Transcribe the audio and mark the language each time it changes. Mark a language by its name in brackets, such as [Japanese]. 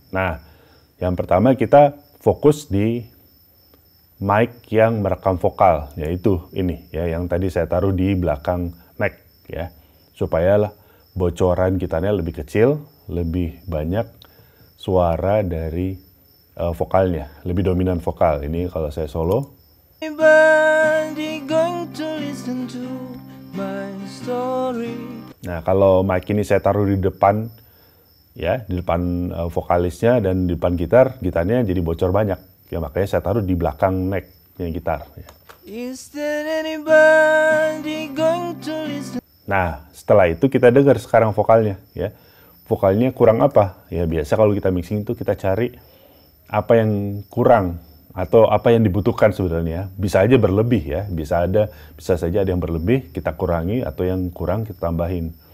[Indonesian] Nah, yang pertama kita fokus di mic yang merekam vokal, yaitu ini ya, yang tadi saya taruh di belakang neck ya, supaya bocoran gitarnya lebih kecil, lebih banyak suara dari vokalnya, lebih dominan vokal. Ini kalau saya solo. [English] Anybody going to listen to my story? [Indonesian] Nah, kalau mic ini saya taruh di depan ya, di depan vokalisnya dan di depan gitar, gitarnya jadi bocor banyak. Ya makanya saya taruh di belakang necknya gitar. [English] Is there anybody going to listen? [Indonesian] Nah, setelah itu kita dengar sekarang vokalnya, ya. Vokalnya kurang apa? Ya biasa kalau kita mixing itu kita cari apa yang kurang atau apa yang dibutuhkan sebenarnya. Bisa aja berlebih ya, bisa saja ada yang berlebih, kita kurangi atau yang kurang kita tambahin.